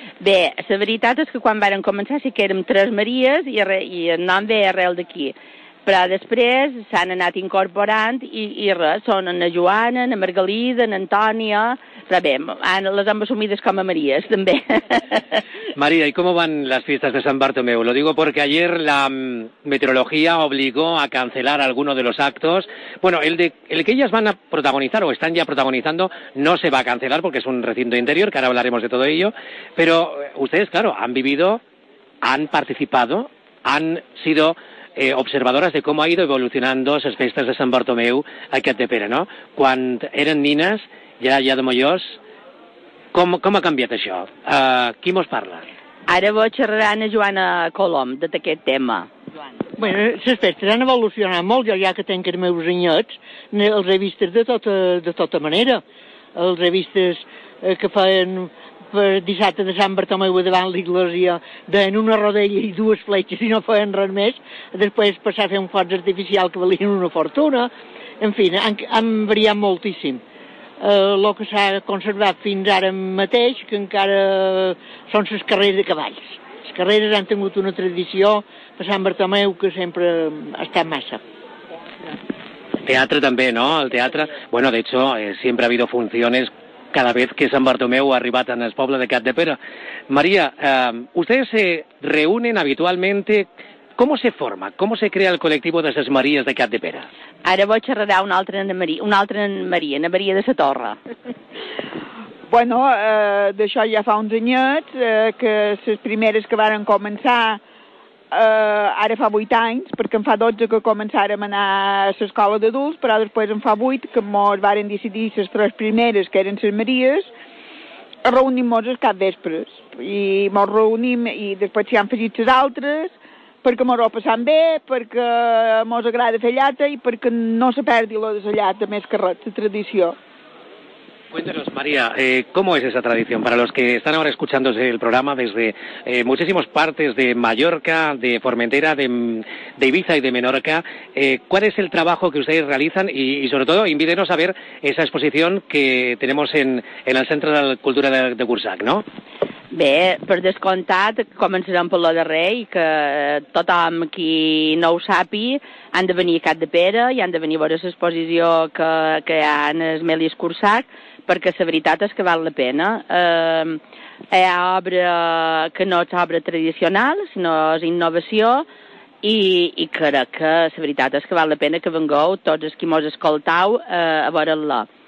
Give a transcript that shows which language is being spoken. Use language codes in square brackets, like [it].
[ca] Bé, la veritat és que quan vàrem començar sí que érem tres Maries i el nom ve arrel d'aquí. Però després s'han anat incorporant i res, són na Joana, na Margalida, na Antònia, però bé, les hem assumides com a Maries, també. [es] Maria, ¿y cómo van las fiestas de San Bartomeu? Lo digo porque ayer la meteorología obligó a cancelar alguno de los actos. Bueno, el que ellas van a protagonizar o están ya protagonizando no se va a cancelar porque es un recinto interior, que ahora hablaremos de todo ello, pero ustedes, claro, han vivido, han participado, han sido observadoras de cómo ha ido evolucionando esas festas de San Bartomeu aquí a Capdepera, ¿no? Cuando eran niñas, ya de mayores, ¿cómo ha cambiado eso? ¿Quién nos parla? [ca] Ara vos xerraran a Joana Colom de aquest tema. Bueno, les festes han evolucionat molt, jo ja que tenc els meus rinyots, els he vist de tota manera. Els he vist que feien per dissabte de Sant Bartomeu davant l'Iglesia en una rodella i dues fletxes i no feien res més, després passar a fer un foc artificial que valien una fortuna. En fi, han variat moltíssim. El que s'ha conservat fins ara mateix, que encara són les carreres de cavalls. Les carreres han tingut una tradició per Sant Bartomeu que sempre ha estat massa. Teatre també, no? El teatre. [es] Bueno, de hecho, siempre ha habido funciones cada vez que San Bartomeu [ca] ha arribat en el poble de Capdepera. [es] Maria, ustedes se reúnen habitualmente. ¿Cómo se forma? ¿Cómo se crea el colectivo de Ses Maries de Capdepera? [ca] Ara vaig xerrar una altra Maria de la Torre. Bueno, d'això ja fa uns anyets, que les primeres que varen començar, ara fa 8 anys, perquè en fa 12 que començàrem a anar a l'escola d'adults, però després en fa 8 que mos varen decidir les tres primeres, que eren les Maries, reunim-nos els capvespres. I mos reunim i després s'hi han afegit les altres, perquè mos ho passant bé, perquè mos agrada fer llata i perquè no se perdi la de la llata, més que res, la tradició. [es] Cuéntanos, María, ¿cómo es esa tradición? Para los que están ahora escuchándose el programa desde muchísimas partes de Mallorca, de Formentera, de Ibiza y de Menorca, ¿cuál es el trabajo que ustedes realizan? Y sobre todo, invítenos a ver esa exposición que tenemos en el Centro de la Cultura de Cursac, ¿no? [ca] Bé, per descomptat, començarem per la darrer i que tothom qui no ho sapi han de venir a Capdepera i han de venir a veure l'exposició que hi ha en el Melis Cursac, perquè la veritat és que val la pena. Hi ha obra que no és obra tradicional, sinó és innovació, i crec que la veritat és que val la pena que vengueu tots els qui mos escoltau a veure-la.